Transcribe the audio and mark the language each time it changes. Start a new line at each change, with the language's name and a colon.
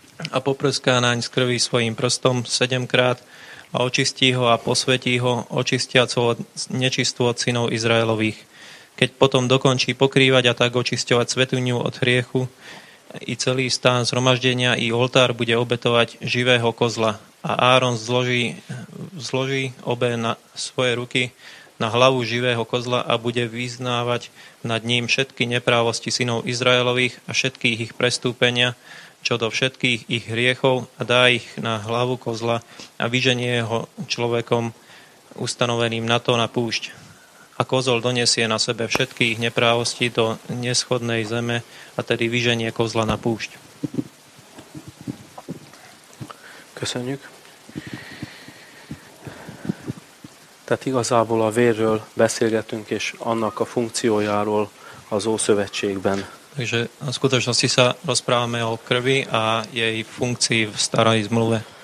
Slovak: A poprská naň z krvi svojím prstom 7-krát a očistí ho a posvetí ho, očistiac ho od nečistú od synov Izraelových. Keď potom dokončí pokrývať a tak očisťovať svätyňu od hriechu, i celý stán zhromaždenia i oltár bude obetovať živého kozla. A Áron zloží obe na svoje ruky na hlavu živého kozla a bude vyznávať nad ním všetky neprávosti synov Izraelových a všetkých ich prestúpenia, čo do všetkých ich hriechov, a dá ich na hlavu kozla a vyženie ho človekom ustanoveným na to na púšť. A kozol donesie na sebe všetky ich neprávosti do neschodnej zeme, a tedy vyženie kozla na púšť.
Hungarian: Köszönjük. Tehát igazából a vérről beszélgetünk és annak a funkciójáról az Ószövetségben.
Slovak: Takže a skutočnosti sa rozprávame o krvi a jej funkcii v starej zmluve.